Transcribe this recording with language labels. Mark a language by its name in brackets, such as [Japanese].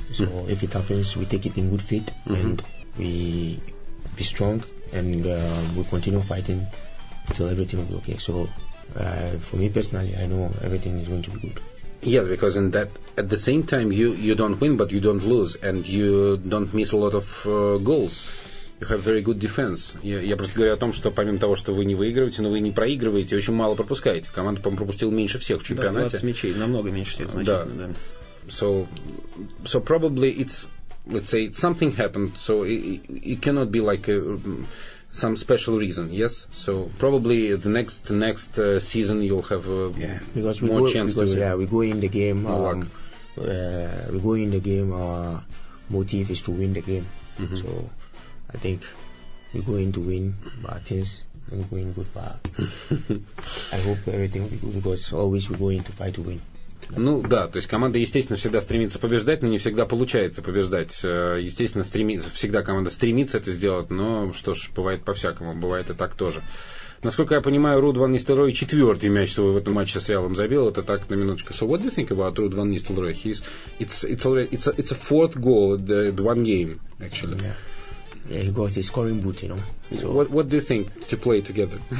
[English] So if it happens, we take it in good faith and we be strong and we continue fighting until everything will be okay. So for me personally, I know everything is going to be good. Yes, because in that, at the same time, you don't win, but you don't lose, and you don't miss a lot of goals. You have very good defense. [Russian] Я просто говорю о том, что помимо того, что вы не выигрываете, но вы не проигрываете, очень мало пропускаете. Команда, по-моему, пропустила меньше всех в чемпионате. Да, 20 мячей, намного меньше, это значительно, да. [English] So probably it's, let's say, something happened, so it cannot be like some special reason, yes? So probably the next season you'll have more chance to win. Yeah, we go in the game. We go in the game. Our motive is to win the game. Mm-hmm. So I think we go in to win, but things are going good. But I hope everything will be good because always we go in to fight to win. [Russian] Ну да, то есть команда, естественно, всегда стремится побеждать, но не всегда получается побеждать. Естественно, всегда команда стремится это сделать, но что ж, бывает по-всякому, бывает и так тоже. Насколько я понимаю, Руд ван Нистелрой четвертый мяч свой в этом матче с Реалом забил. Это так, на минуточку. [English] So what do you think about Руд ван Нистелрой? It's a fourth goal in one game, actually. Yeah. Yeah, he got his scoring boot, you know. So what do you think to play together?